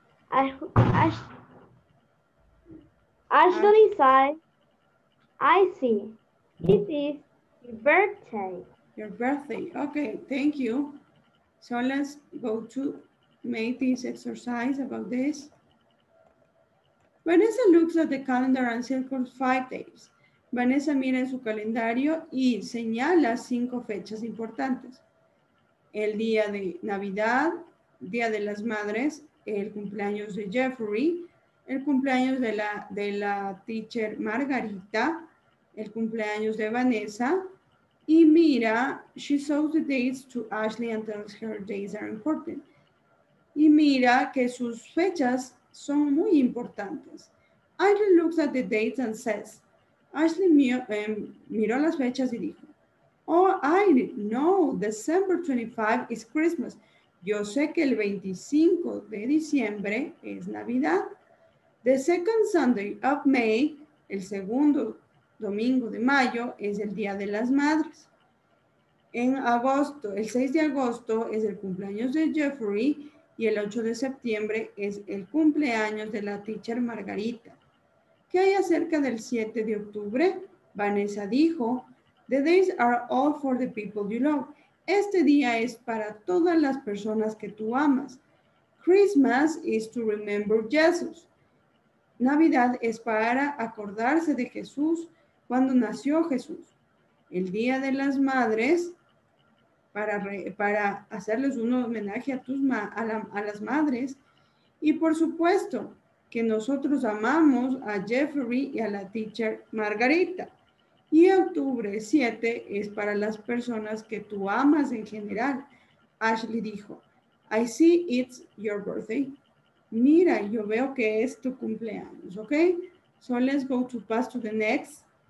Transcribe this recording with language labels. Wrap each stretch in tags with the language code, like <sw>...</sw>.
<en>Ashley says, I see. It is your birthday. Your birthday. Okay, thank you. So let's go to make this exercise about this. Vanessa looks at the calendar and circles 5 days.</en> <es>Vanessa mira en su calendario y señala 5 fechas importantes. El día de Navidad, Día de las Madres, el cumpleaños de Jeffrey, el cumpleaños de la teacher Margarita, el cumpleaños de Vanessa. Y mira,</es> <en>she shows the dates to Ashley and tells her days are important.</en> <es>Y mira que sus fechas son muy importantes.</es> <en>Ashley looks at the dates and says,</en> <es>Ashley miró las fechas y dijo,</es> <en>oh, I know, December 25 is Christmas.</en> <es>Yo sé que el 25 de diciembre es Navidad.</es> <en>The second Sunday of May,</en> <es>el segundo domingo de mayo, es el Día de las Madres. En agosto, el 6 de agosto, es el cumpleaños de Jeffrey y el 8 de septiembre es el cumpleaños de la teacher Margarita. ¿Qué hay acerca del 7 de octubre?</es> <en>Vanessa</en> <es>dijo,</es> <en>the days are all for the people you love.</en> <es>Este día es para todas las personas que tú amas.</es> <en>Christmas is to remember Jesus.</en> <es>Navidad es para acordarse de Jesús cuando nació Jesús. El Día de las Madres, para hacerles un homenaje a las madres. Y por supuesto que nosotros amamos a Jeffrey y a la teacher Margarita. Y octubre 7 es para las personas que tú amas en general.</es> <en>Ashley dijo, I see it's your birthday.</en> <es>Mira, yo veo que es tu cumpleaños, ¿ok?</es> <en>So let's go to pass to the next.</en>